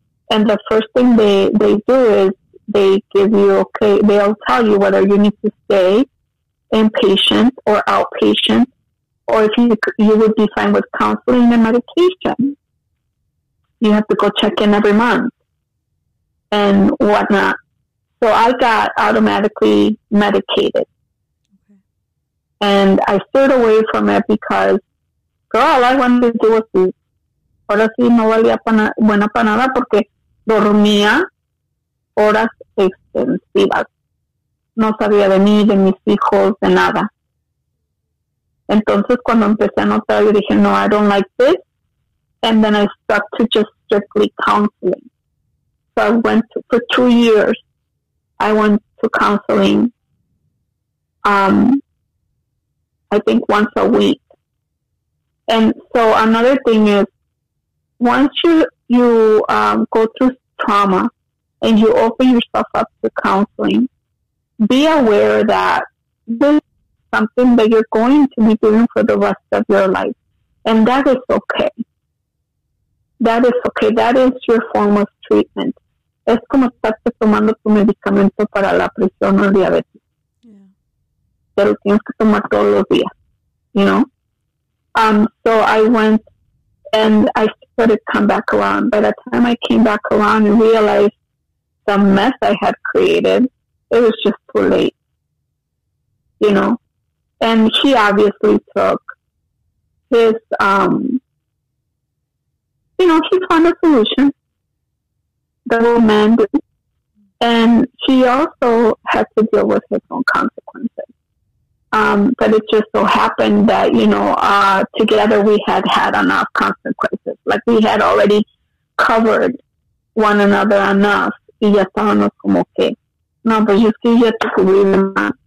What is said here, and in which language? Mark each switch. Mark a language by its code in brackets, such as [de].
[en] And the first thing they do is they give you, okay, they'll tell you whether you need to stay inpatient or outpatient, or if you would be fine with counseling and medication. You have to go check in every month and whatnot. So I got automatically medicated. Mm-hmm. And I stayed away from it because, girl, all I wanted to do was eat. [es] Ahora sí no valía buena para nada porque dormía horas extensivas. No sabía de mí, de mis hijos, de nada. Entonces, cuando empecé a notar, yo dije, no, [en] I don't like this. And then I stuck to just strictly counseling. So I went for 2 years. I went to counseling, I think once a week. And so another thing is, once you go through trauma and you open yourself up to counseling, be aware that this is something that you're going to be doing for the rest of your life, and that is okay. That is okay. That is your form of treatment. [es] Es como estás tomando tu medicamento para la presión o el diabetes. Yeah. Pero tienes que tomar todos los días, [en] you know? So I went and I to come back around. By the time I came back around and realized the mess I had created, it was just too late, you know. And he obviously took his, you know, he found a solution, the old man did. And he also had to deal with his own consequences. But it just so happened that, you know, together we had had enough consequences. Like, we had already covered one another enough. [es] Y ya estábamos como que, no, pues yo sí ya te cubrí más.